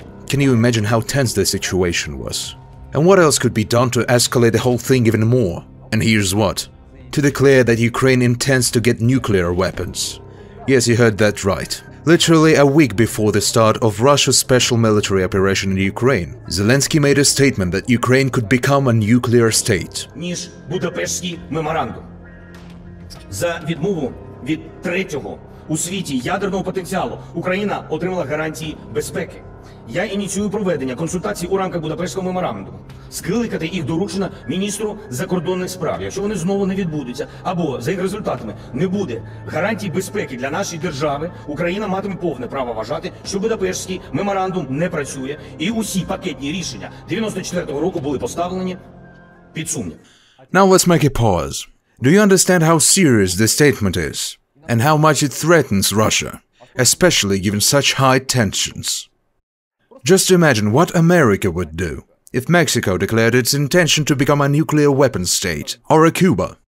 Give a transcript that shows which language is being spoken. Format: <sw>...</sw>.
<en>Can you imagine how tense the situation was? And what else could be done to escalate the whole thing even more? And here's what. To declare that Ukraine intends to get nuclear weapons. Yes, you heard that right. Literally a week before the start of Russia's special military operation in Ukraine, Zelensky made a statement that Ukraine could become a nuclear state.</en> <uk>Ніж Будапештський меморандум. За відмову від третього у світі ядерного потенціалу Україна отримала гарантії безпеки. Я ініціюю проведення консультацій у рамках Будапештського меморандуму. Скликати їх доручено міністру закордонних справ. Якщо вони знову не відбудуться, або за їх результатами не буде гарантій безпеки для нашої держави, Україна матиме повне право вважати, що Будапештський меморандум не працює, і усі пакетні рішення 94-го року були поставлені під сумнів.</uk> <en>Now let's make a pause. Do you understand how serious this statement is? And how much it threatens Russia? Especially given such high tensions. Just imagine what America would do if Mexico declared its intention to become a nuclear weapons state, or a Cuba.</en>